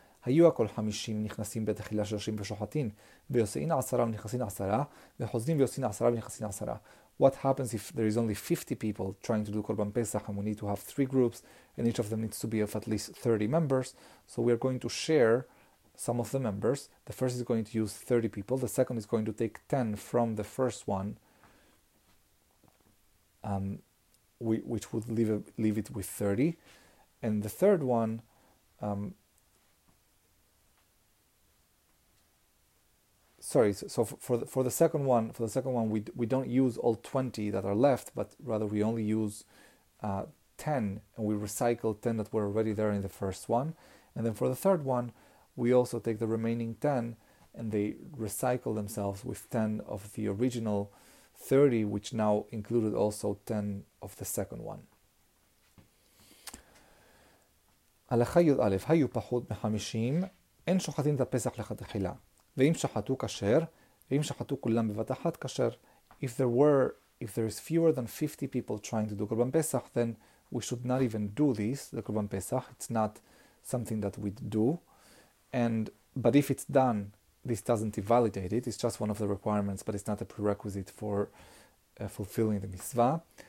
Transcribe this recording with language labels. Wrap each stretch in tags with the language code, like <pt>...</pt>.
<he>היו הכל 50 נכנסים בתחילה 30 ושוחטים, ויוסעין 10 ונכנסין 10, וחוזרים ויוסעין 10 ונכנסין 10.</he> <en>What happens if there is only 50 people trying to do Korban Pesach and we need to have 3 groups and each of them needs to be of at least 30 members? So we are going to share some of the members. The first is going to use 30 people. The second is going to take 10 from the first one, which would leave it with 30. And the third one, for the second one, we don't use all 20 that are left, but rather we only use 10, and we recycle 10 that were already there in the first one. And then for the third one, we also take the remaining 10, and they recycle themselves with 10 of the original 30, which now included also 10 of the second one.</en> <he>הלכה יוד א', היו פחות מ-50, אין שוחטים את הפסח לכתחילה. ואם שחטו כשר, ואם שחטו כולם בבת אחת כשר,</he> <en>if there is fewer than 50 people trying to do Korban Pesach, then we should not even do this, the Korban Pesach, it's not something that we do. But if it's done, this doesn't invalidate it, it's just one of the requirements, but it's not a prerequisite for fulfilling the mitzvah.</en>